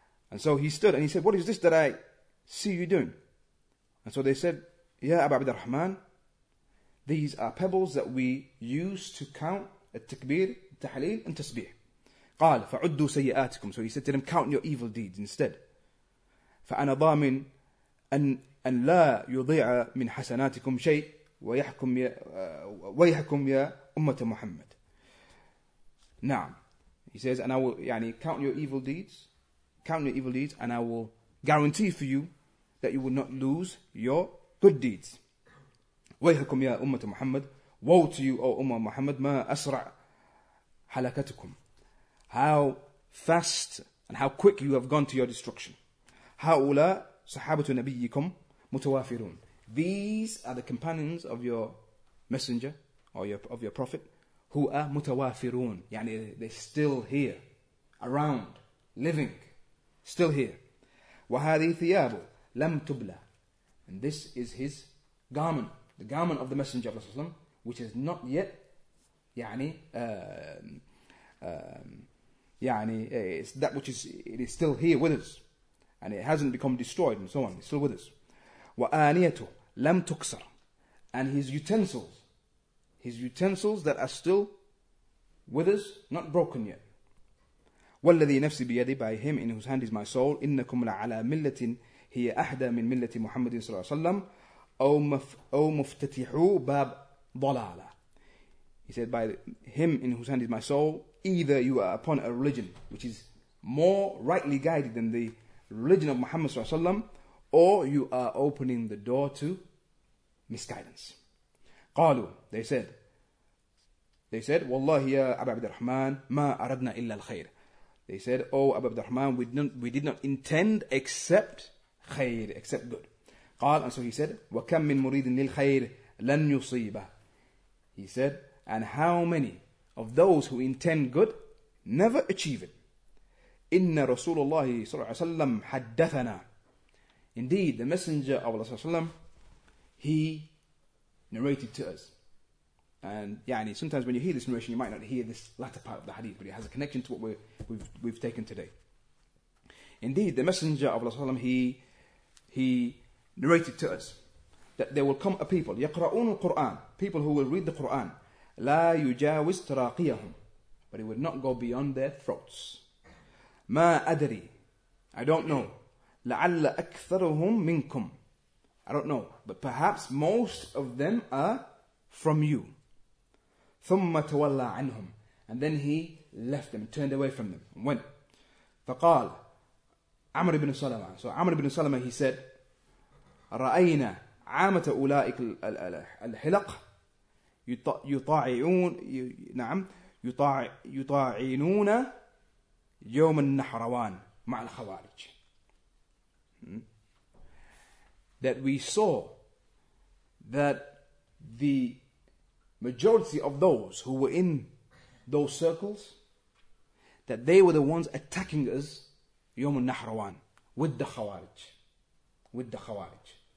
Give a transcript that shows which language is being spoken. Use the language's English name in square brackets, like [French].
[English] And so he stood and he said, what is this that I see you doing? And so they said, Ya Abu Abd al-Rahman, these are pebbles that we use to count at-takbir, tahleel, and tasbih. [Arabic] قال فعدوا سيئاتكم. [English] So he said to them, count your evil deeds instead. [Arabic] فأنا ضامن أن لا يضيع من حسناتكم شيء ويحكم يا أمة محمد. نعم. [English] He says, and I will, [Arabic] يعني, [English] count your evil deeds, count your evil deeds, and I will guarantee for you that you will not lose your good deeds. [Arabic] ويحكم يا أمة محمد. [English] Woe to you, O [Arabic] أمة محمد. ما أسرع حلاكتكم. [English] How fast and how quick you have gone to your destruction. [Arabic] هؤلاء صحابة نبيكم متوافرون. [English] These are the companions of your messenger or of your prophet who are متوافرون. [Arabic] يعني [English] they're still here, around, living, still here. [Arabic] وهذه ثيابه لم تبلى. [English] And this is his garment, the garment of the messenger of Allah, which is not yet, it's that which is, it is still here with us. And it hasn't become destroyed and so on. It's still with us. [Arabic] وآنيته لم تكسر. [English] And his utensils that are still with us, not broken yet. [Arabic] والذي نفسي بيدي, [English] by him in whose hand is my soul, [Arabic] إنكم لعلى ملة هي أحدى من ملة محمد صلى الله عليه وسلم أو مفتتحو باب ضلالة. [English] He said, by him in whose hand is my soul, either you are upon a religion which is more rightly guided than the religion of Muhammad sallallahu alaihi wasallam, or you are opening the door to misguidance. [Arabic] قالوا, [English] they said, [Arabic] والله يا أبا عبد الرحمن ما أردنا إلا الخير. [English] They said, oh Abu Abd al-Rahman, we did not intend except خير, except good. [Arabic] قال, [English] and so he said, [Arabic] وكم من مريد للخير لن يصيبه. [English] He said, and how many of those who intend good never achieve it. [Arabic] Inna Rasulullah sallallahu alaihi wasallam haddathana. [English] Indeed, the Messenger of Allah sallallahu alaihi wasallam, he narrated to us. And [Arabic] yani, [English] sometimes when you hear this narration, you might not hear this latter part of the hadith, but it has a connection to what we've taken today. Indeed, the Messenger of Allah sallallahu alaihi wasallam, he narrated to us that there will come a people, [Arabic] yaqra'un al-Quran, [English] people who will read the Quran, [Arabic] لا يجاوز تراقيهم, [English] but it would not go beyond their throats. [Arabic] ما أدري, [English] I don't know, [Arabic] لعل أكثرهم منكم, [English] I don't know, but perhaps most of them are from you. [Arabic] ثم تولى عنهم, [English] and then he left them, turned away from them, and went. [Arabic] فقال عمر بن سلمة. [English] So Amr ibn Salama, he said, [Arabic] رأينا عامة أولئك الحلق يطاعون نعم يطاعنون يوم النحروان مع الخوارج. [English] That we saw that the majority of those who were in those circles, that they were the ones attacking us [Arabic] يوم النحروان [English] with the خوارج. With the خوارج.